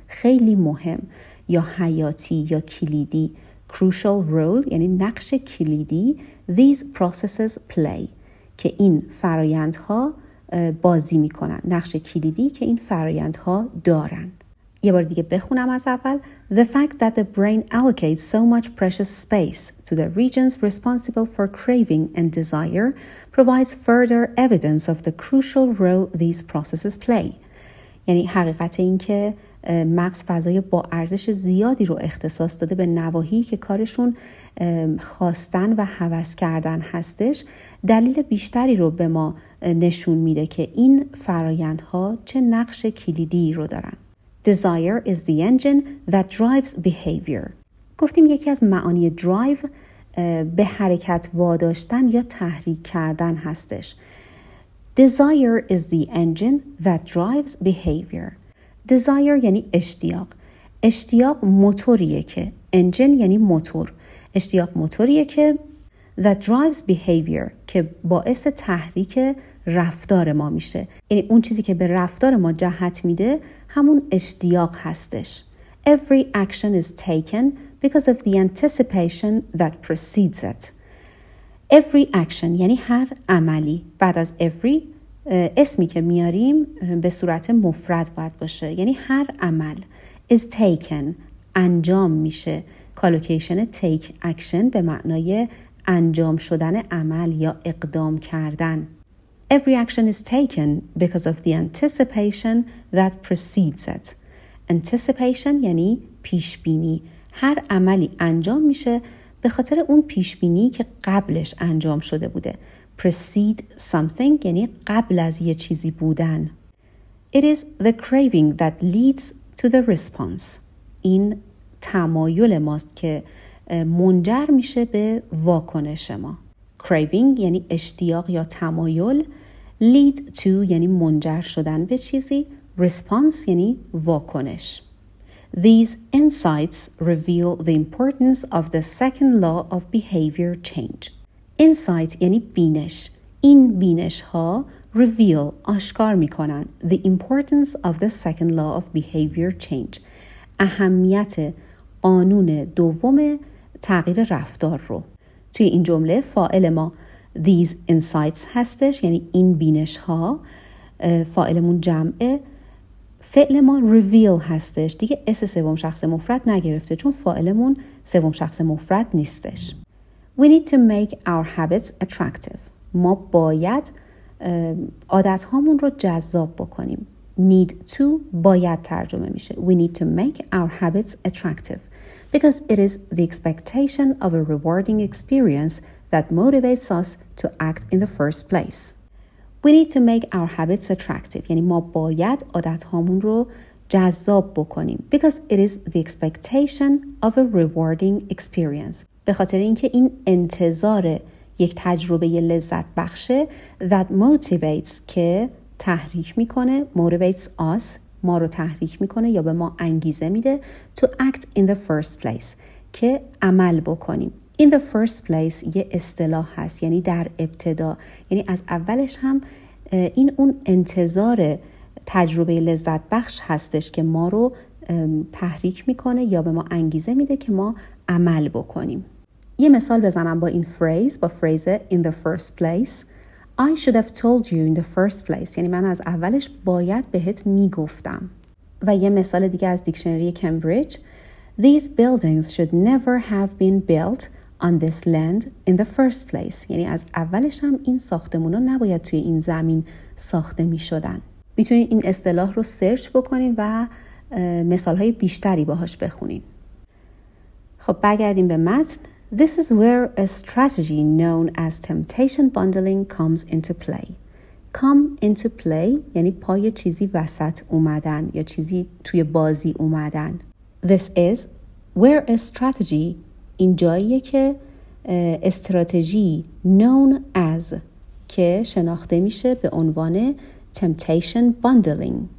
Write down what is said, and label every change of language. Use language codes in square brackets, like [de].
[fa] خیلی مهم یا حیاتی یا کلیدی. [en] Crucial role [fa] یعنی نقش کلیدی [en] these processes play [fa] که این فرایندها بازی میکنن، نقش کلیدی که این فرایندها دارن. یه بار دیگه بخونم از اول. [en] The fact that the brain allocates so much precious space to the regions responsible for craving and desire provides further evidence of the crucial role these processes play. [fa] یعنی حقیقت این که مغز فضای با ارزش زیادی رو اختصاص داده به نواحی که کارشون خواستن و هوس کردن هستش، دلیل بیشتری رو به ما نشون میده که این فرایندها چه نقش کلیدی رو دارن. [en] Desire is the engine that drives behavior. [fa] گفتیم یکی از معانی drive به حرکت واداشتن یا تحریک کردن هستش. [en] Desire is the engine that drives behavior. [fa] Desire یعنی اشتیاق. اشتیاق موتوریه که. Engine یعنی موتور. اشتیاق موتوریه که [en] that drives behavior [fa] که باعث تحریک رفتار ما میشه. یعنی اون چیزی که به رفتار ما جهت میده همون اشتیاق هستش. [en] Every action is taken because of the anticipation that precedes it. [fa] Every action یعنی هر عملی. بعد از every اسمی که میاریم به صورت مفرد باید باشه. یعنی هر عمل [en] is taken [fa] انجام میشه. [en] Collocation take action [fa] به معنای انجام شدن عمل یا اقدام کردن. [en] Every action is taken because of the anticipation that precedes it. [fa] Anticipation یعنی پیشبینی. هر عملی انجام میشه به خاطر اون پیشبینی که قبلش انجام شده بوده. Precede something یعنی قبل از یه چیزی بودن. [en] It is the craving that leads to the response. [fa] این تمایل ماست که منجر میشه به واکنش ما. Craving یعنی اشتیاق یا تمایل. Lead to یعنی منجر شدن به چیزی. Response یعنی واکنش. [en] These insights reveal the importance of the second law of behavior change. Insight [fa] یعنی بینش. این بینش ها [en] reveal [fa] آشکار می کنن [en] the importance of the second law of behavior change. [fa] اهمیت قانون دوم تغییر رفتار رو. توی این جمله فاعل ما [en] these insights [fa] هستش، یعنی این بینش ها، فاعلمون جمعه، فعل ما reveal هستش، دیگه اس سوم شخص مفرد نگرفته چون فاعلمون سوم شخص مفرد نیستش. [en] We need to make our habits attractive. [fa] ما باید عادت هامون رو جذاب بکنیم. Need to باید ترجمه میشه. [en] We need to make our habits attractive because it is the expectation of a rewarding experience that motivates us to act in the first place. We need to make our habits attractive. [fa] یعنی ما باید عادت هامون رو جذاب بکنیم. [en] Because it is the expectation of a rewarding experience. [fa] به خاطر اینکه این انتظار یک تجربه لذت بخشه [en] that motivates [fa] که تحریک میکنه [en] motivates us [fa] ما رو تحریک میکنه یا به ما انگیزه میده [en] to act in the first place [fa] که عمل بکنیم. [en] In the first place [fa] یه اصطلاح هست، یعنی در ابتدا، یعنی از اولش هم این اون انتظار تجربه لذت بخش هستش که ما رو تحریک میکنه یا به ما انگیزه میده که ما عمل بکنیم. یه مثال بزنم با این فریز، با فریز [en] in the first place. I should have told you in the first place. [fa] یعنی من از اولش باید بهت میگفتم. و یه مثال دیگه از دیکشنری کمبریج. [en] These buildings should never have been built on this land in the first place. [fa] یعنی از اولش هم این ساختمون‌ها نباید توی این زمین ساخته می‌شدن. می‌تونید این اصطلاح رو سرچ بکنین و مثال‌های بیشتری باهاش بخونین. خب برگردیم به متن. [en] This is where a strategy known as temptation bundling comes into play. [fa] Come into play یعنی پای چیزی وسط اومدن یا چیزی توی بازی اومدن. [en] This is where a strategy [fa] این جاییه که استراتژی [en] known as [fa] که شناخته میشه به عنوان temptation bundling.